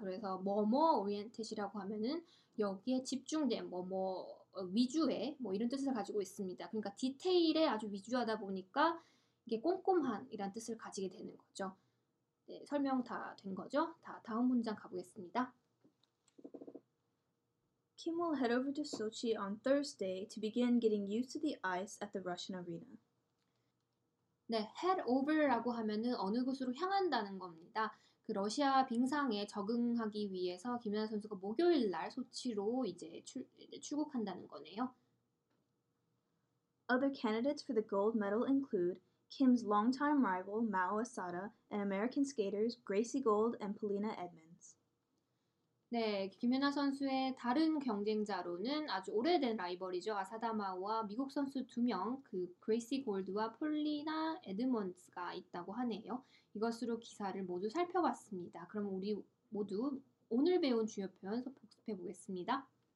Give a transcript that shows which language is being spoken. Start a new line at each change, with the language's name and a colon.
Korean: 그래서 뭐뭐 oriented이라고 하면은 여기에 집중된 뭐뭐 위주의 뭐 이런 뜻을 가지고 있습니다. 그러니까 디테일에 아주 위주하다 보니까 이게 꼼꼼한이란 뜻을 가지게 되는 거죠. 네, 설명 다 된 거죠? 다 다음 문장 가보겠습니다.
English: Kim will head over to Sochi on Thursday to begin getting used to the ice at the Russian Arena.
Korean: 네, head over라고 하면은 어느 곳으로 향한다는 겁니다. 그 러시아 빙상에 적응하기 위해서 김연아 선수가 목요일 날 소치로 이제 출국한다는 거네요.
English: Other candidates for the gold medal include Kim's longtime rival Mao Asada and American skaters Gracie Gold and Polina Edmonds.
Korean: 네, 김연아 선수의 다른 경쟁자로는 아주 오래된 라이벌이죠. 아사다 마오와 미국 선수 두 명, 그 그레이시 골드와 폴리나 에드먼스가 있다고 하네요. 이것으로 기사를 모두 살펴봤습니다. 그럼 우리 모두 오늘 배운 주요 표현 복습해 보겠습니다.